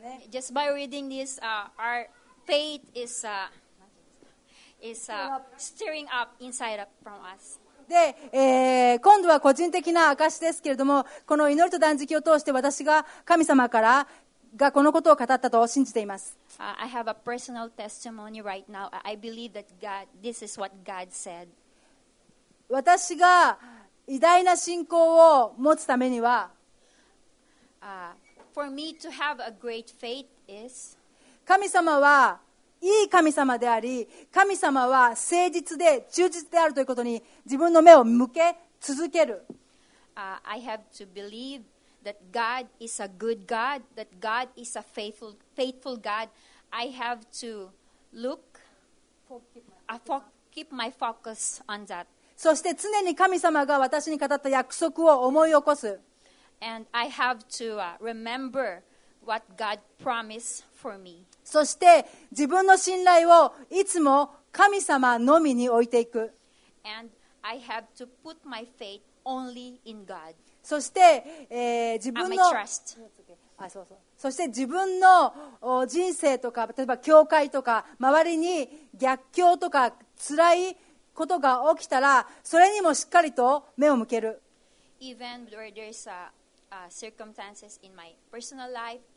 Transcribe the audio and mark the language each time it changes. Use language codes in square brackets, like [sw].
[en] Just by reading this, our faith is stirring up inside from us. [ja] で、今度は個人的な証ですけれども、この祈りと断食を通して私が神様からがこのことを語ったと信じています。 [en] I have a personal testimony right now. I believe that God, this is what God said. [ja] 私が偉大な信仰を持つためには、 [en] for me to have a great faith is [ja] 神様はいい神様であり、神様は誠実で忠実であるということに自分の目を向け続ける。 [en] I have to believe that God is a good God, that God is a faithful God. I have to look, keep my focus on that. [ja] そして常に神様が私に語った約束を思い起こす。 [en] And I have to remember what God promised for me. [ja] そして自分の信頼をいつも神様のみに置いていく。 [en] And I have to put my faith only in God. [ja] そして、自分の、 [en] I'm a trust. [ja] あ、そうそう。そして自分の人生とか、例えば教会とか周りに逆境とか辛いことが起きたら、それにもしっかりと目を向ける。 [en] Even where there's a circumstances in my personal life.